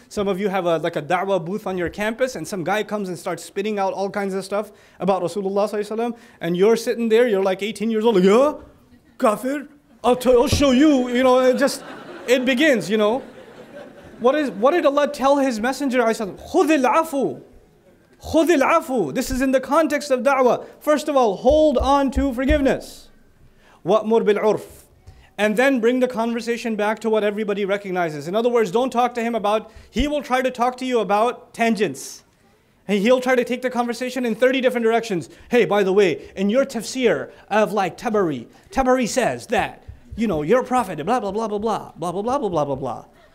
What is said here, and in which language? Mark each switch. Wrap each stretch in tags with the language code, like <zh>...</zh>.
<en>Some of you have a da'wah booth on your campus and some guy comes and starts spitting out all kinds of stuff about Rasulullah sallallahu alaihi wasallam. And you're sitting there, you're like 18 years old. Yeah? Kafir? I'll show you. You know, it begins, you know. What did Allah tell His Messenger? I said,</en> <ar>خُذِ الْعَفُوُ خُذِ الْعَفُوُ.</ar> <en>This is in the context of da'wah. First of all, hold on to forgiveness.</en> <ar>وَأْمُرْ بِالْعُرْفِ.</ar> <en>And then bring the conversation back to what everybody recognizes. In other words, don't talk to him about, he will try to talk to you about tangents. And he'll try to take the conversation in 30 different directions. Hey, by the way, in your tafsir of like Tabari says that, you know, your prophet, blah, blah, blah, blah, blah, blah, blah, blah, blah, blah, blah, blah.</en>